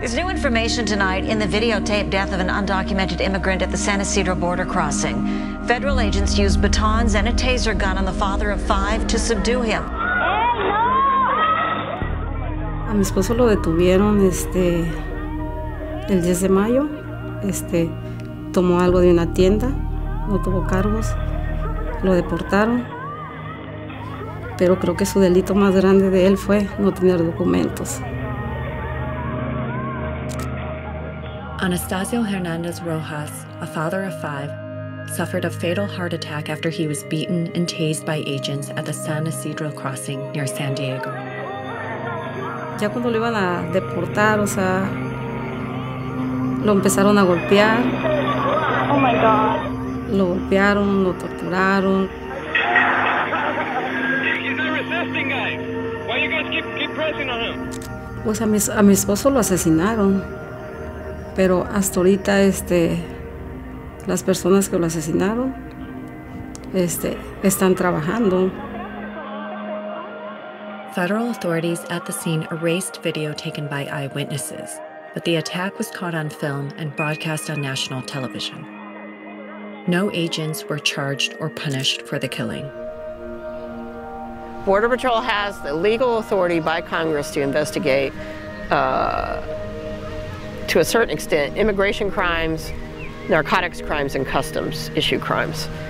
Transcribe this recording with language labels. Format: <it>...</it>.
<en>Information tonight in the videotaped death of an undocumented immigrant at the San Ysidro border crossing. Federal agents used batons and a taser gun on the father of five to subdue him.</en> <es>A mi esposo lo detuvieron el 10 de mayo. Tomó algo de una tienda, no tuvo cargos, lo deportaron. Pero creo que su delito más grande de él fue no tener documentos.</es> <en>Anastasio Hernandez Rojas, a father of five, suffered a fatal heart attack after he was beaten and tased by agents at the San Ysidro crossing near San Diego.</en> <es>Ya cuando lo iban a deportar, o sea, lo empezaron a golpear.</es> <en>Oh my God.</en> <es>Lo golpearon, lo torturaron.</es> <en>He's not resisting, guys. Why you guys keep pressing on him?</en> <es>Pues a mi esposo lo asesinaron. Pero hasta ahorita las personas que lo asesinaron están trabajando.</es> <en>Federal authorities at the scene erased video taken by eyewitnesses, but the attack was caught on film and broadcast on national television. No agents were charged or punished for the killing. Border Patrol has the legal authority by Congress to investigate to a certain extent, immigration crimes, narcotics crimes, and customs issue crimes.</en>